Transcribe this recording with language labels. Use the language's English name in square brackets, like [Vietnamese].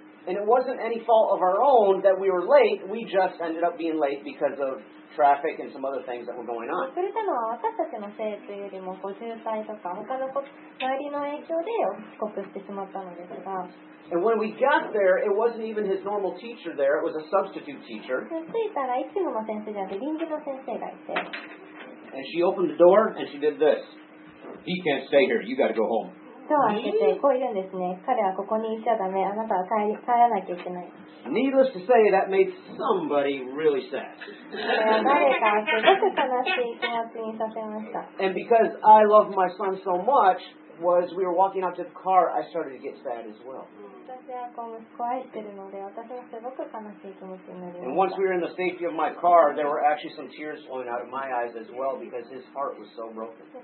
[English] And it wasn't any fault of our own that we were late, we just ended up being late because of traffic and some other things that were going on. And when we got there, it wasn't even his normal teacher there, it was a substitute teacher. And she opened the door and she did this. He can't stay here, you gotta go home. [Japanese] を開けてこう言うんですね。彼はここにいちゃダメ。あなたは帰らなきゃいけない。 [English] Needless to say, that made somebody really sad. [Japanese] 誰かすごく悲しい気持ちにさせました。 [English] And because I love my son so much, was we were walking out to the car, I started to get sad as well. And once we were in the safety of my car, there were actually some tears flowing out of my eyes as well because his heart was so broken.